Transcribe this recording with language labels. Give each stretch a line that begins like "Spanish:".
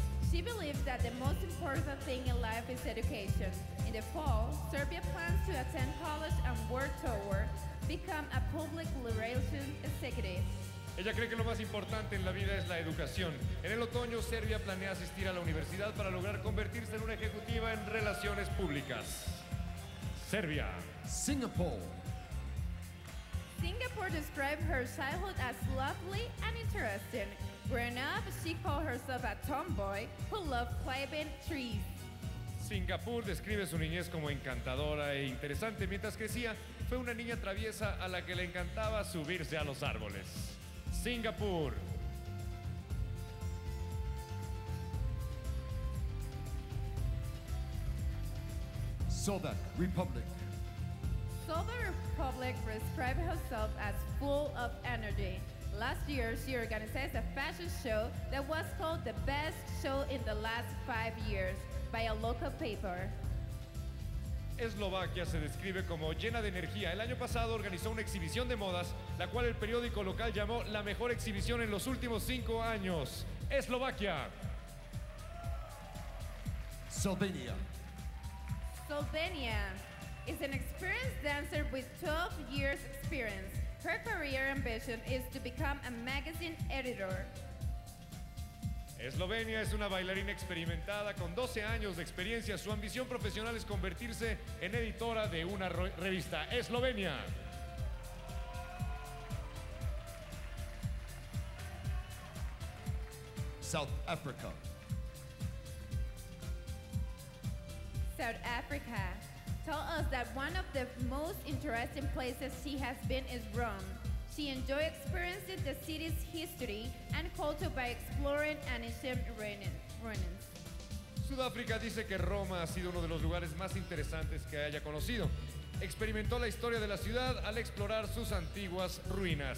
English: She believes that the most important thing in life is education. In the fall, Serbia plans to attend college and work toward become a public relations executive.
Spanish: Ella cree que lo más importante en la vida es la educación. En el otoño, Serbia planea asistir a la universidad para lograr convertirse en una ejecutiva en relaciones públicas. Serbia.
English: Singapore. Singapore described her childhood as lovely and interesting. Growing up, she called herself a tomboy who loved climbing trees.
Spanish: Singapore describe su niñez como encantadora e interesante. Mientras crecía, fue una niña traviesa a la que le encantaba subirse a los árboles. Singapore.
English: Slovak Republic. Slovak Republic described herself as full of energy. Last year, she organized a fashion show that was called the best show in the last 5 years by a local paper.
Spanish: Eslovaquia se describe como llena de energía. El año pasado organizó una exhibición de modas, la cual el periódico local llamó la mejor exhibición en los últimos 5 años. Eslovaquia.
English: Slovenia. Slovenia. is an experienced dancer with 12 years experience. Her career ambition is to become a magazine editor.
Spanish: Eslovenia es una bailarina experimentada con 12 años de experiencia. Su ambición profesional es convertirse en editora de una revista. Eslovenia.
English: South Africa. South Africa told us that one of the most interesting places she has been is Rome. She enjoyed experiencing the city's history and culture by exploring ancient ruins.
Spanish: Sudáfrica dice que Roma ha sido uno de los lugares más interesantes que haya conocido. Experimentó la historia de la ciudad al explorar sus antiguas ruinas.